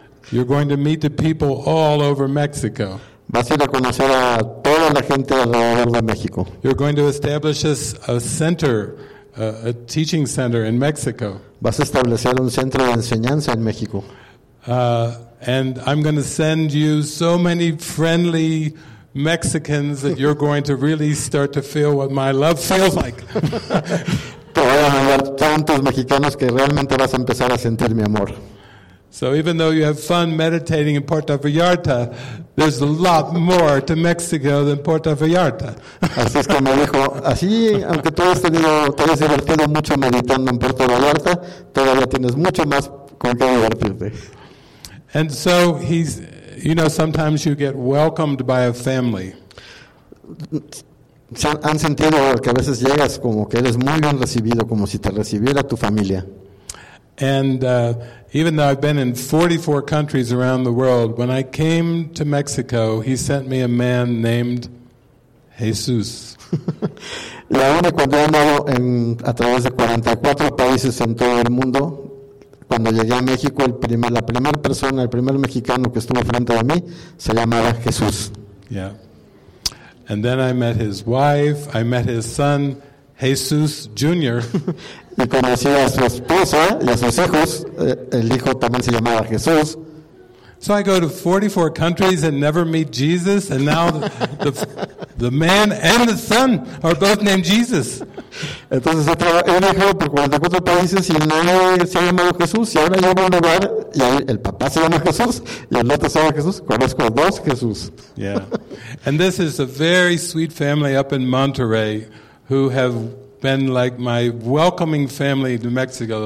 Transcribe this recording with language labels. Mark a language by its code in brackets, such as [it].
[en] You're going to meet the people all over Mexico. [es] Vas a ir a conocer a toda la gente alrededor de México. [en] You're going to establish a center, a teaching center in Mexico. [es] Vas a establecer un centro de enseñanza en México. [en] And I'm going to send you so many friendly Mexicans that you're going to really start to feel what my love feels like. [es] Te voy a mandar tantos mexicanos que realmente vas a empezar a sentir mi amor. [en] So even though you have fun meditating in Puerto Vallarta, there's a lot more to Mexico than Puerto Vallarta. [es] Así es que me dijo, así, aunque tú has tenido, te has divertido mucho meditando en Puerto Vallarta, todavía tienes mucho más con qué divertirte. [en] And so he's, you know, sometimes you get welcomed by a family. [es] ¿Han sentido que a veces llegas como que eres muy bien recibido, como si te recibiera tu familia? [en] And even though I've been in 44 countries around the world, when I came to Mexico, he sent me a man named Jesús. [es] La única cuando he andado a través de 44 países en todo el mundo, cuando llegué a México, el primer mexicano que estuvo frente a mí se llamaba Jesús. [en] Yeah. And then I met his wife, I met his son, Jesús Jr. [es] Y conocí a su esposa y a sus hijos, el hijo también se llamaba Jesús. [en] So I go to 44 countries and never meet Jesus, and now the man and the son are both named Jesus. [es] Entonces he viajado por 44 países y nadie se ha llamado Jesús, y ahora llego a un lugar y el papá se llama Jesús y el otro se llama Jesús. Conozco dos Jesús. [en] Yeah. And this is a very sweet family up in Monterrey who have been like my welcoming family to Mexico.